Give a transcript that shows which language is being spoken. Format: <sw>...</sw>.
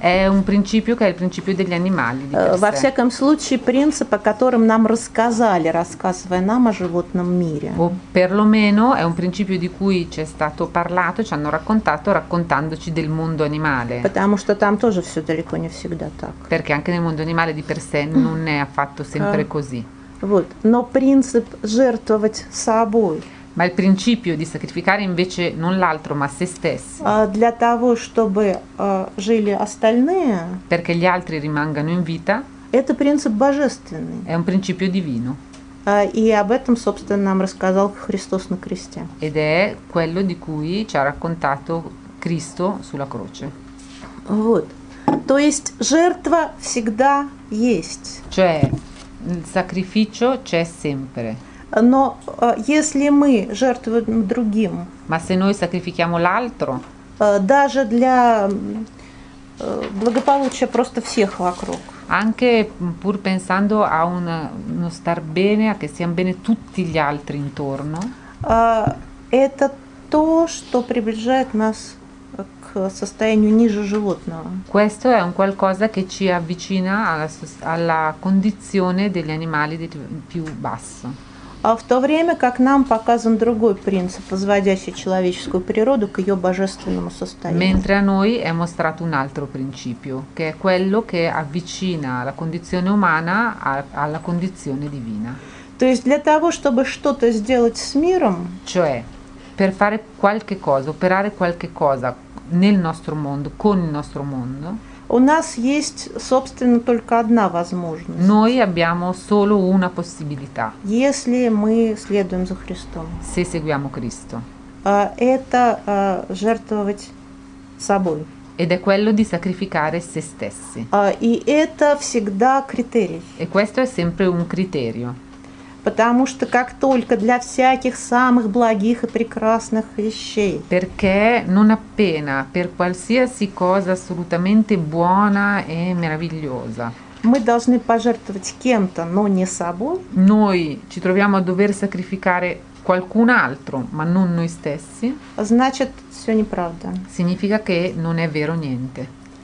<it>È un principio che è il principio degli animali.</it> <ru>Во всяком случае, принцип, о котором нам рассказали, рассказывая нам о животном мире.</ru> <it>O perlomeno è un principio di cui ci è stato parlato, ci hanno raccontato, raccontandoci del mondo animale.</it> <ru>Потому что там тоже все далеко не всегда так.</ru> <it>Perché anche nel mondo animale di per sé non è affatto sempre così.</it> <ru>Вот, но принцип жертвовать собой.</ru> <it>Ma il principio di sacrificare invece non l'altro, ma se stessi.</it> <ru>Для того, чтобы жили остальные.</ru> <it>Perché gli altri rimangano in vita.</it> <ru>Это принцип божественный.</ru> <it>È un principio divino.</it> <ru>И об этом, собственно, нам рассказал Христос на кресте.</ru> <it>Ed è quello di cui ci ha raccontato Cristo sulla croce.</it> <ru>Вот. То есть жертва всегда есть.</ru> <it>Cioè il sacrificio c'è sempre.</it> <ru>Но если мы жертвуем другим,</ru> <it>ma se noi sacrifichiamo l'altro,</it> <ru>даже для благополучия просто всех вокруг,</ru> <it>anche pur pensando a uno star bene, a che siano bene tutti gli altri intorno,</it> <ru>это то, что приближает нас к состоянию ниже животного.</ru> <it>Questo è un qualcosa che ci avvicina alla condizione degli animali più basso.</it> <ru>В то время как нам показан другой принцип, возводящий человеческую природу к ее божественному состоянию.</ru> <it>Mentre a noi è mostrato un altro principio, che è quello che avvicina la condizione umana alla condizione divina.</it> <ru>То есть для того, чтобы что-то сделать с миром.</ru> <it>Cioè, per fare qualche cosa, operare qualche cosa nel nostro mondo, con il nostro mondo.</it> <ru>У нас есть, собственно, только одна возможность.</ru> <it>Noi abbiamo solo una possibilità.</it> <ru>Если мы следуем за Христом.</ru> <it>Se seguiamo Cristo.</it> <ru>Это жертвовать собой.</ru> <it>Ed è quello di sacrificare se стесси.</it> <ru>И это всегда критерий.</ru> <it>E questo è sempre un criterio.</it> <ru>Потому что как только для всяких самых благих и прекрасных вещей.</ru> <it>Perché non appena per qualsiasi cosa assolutamente buona e meravigliosa.</it> <ru>Мы должны пожертвовать кем-то, но не собой.</ru> <it>Noi ci troviamo a dover sacrificare qualcun altro, ma non noi stessi.</it> <ru>Значит, все неправда.</ru> <it>Significa che non è vero niente.</it>